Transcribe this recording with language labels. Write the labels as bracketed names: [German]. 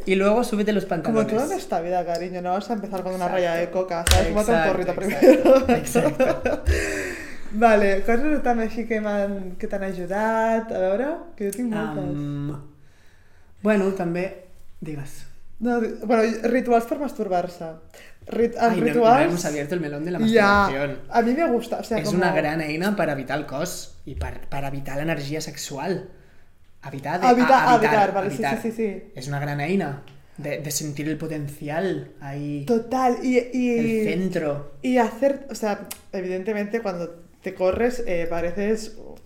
[Spanish] Y luego súbete los pantalones. Como tú en esta vida, cariño, no vas a empezar con una ralla de coca, ¿sabes? Exacto, mata un porrito exacto, primero. Exacto. [Catalan] Vale, coses tan així que t'han ajudat, a veure, que jo tinc moltes. Bueno, també, digues. No, bueno, rituals per masturbar-se. Rituals... [Spanish] Ai, no hemos abierto el melón de la masturbación. Ja, a mi me gusta. O sea, [Catalan] és com... una gran eina per evitar el cos i per evitar l'energia sexual. Evitar. Sí. És una gran eina de sentir el potencial ahí. Total. I [Spanish] el centro. I hacer... O sea, evidentemente, cuando te corres, pareces...